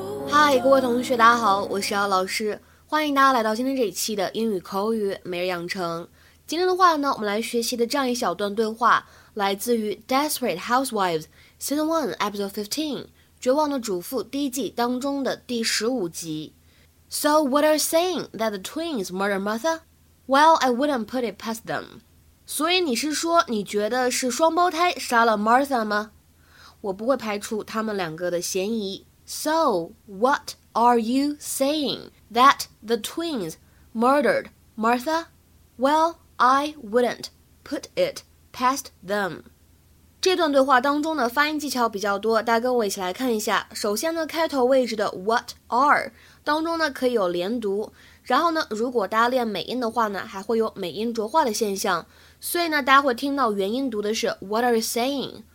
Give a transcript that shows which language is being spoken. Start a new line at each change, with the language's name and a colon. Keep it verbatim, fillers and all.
Chinese: 嗨，各位同学，大家好，我是姚老师，欢迎大家来到今天这一期的英语口语每日养成。今天的话呢，我们来学习的这样一小段对话，来自于
English: 《Desperate Housewives Season One Episode fifteen》
Chinese: 绝望的主妇第一季当中的第十五集。
English: So what are saying that the twins murder Martha? Well, I wouldn't put it past them.
Chinese: 所以你是说你觉得是双胞胎杀了 Martha 吗？我不会排除他们两个的嫌疑。
English: So, what are you saying that the twins murdered Martha? Well, I wouldn't put it past them.
Chinese: 这段对话当中的发音技巧比较多，大家跟我一起来看一下。首先呢，开头位置的 what are 当中呢可以有连读，然后呢，如果大家练美音的话呢，还会有美音浊化的现象，所以呢，大家会听到元音读的是
English: what are you saying?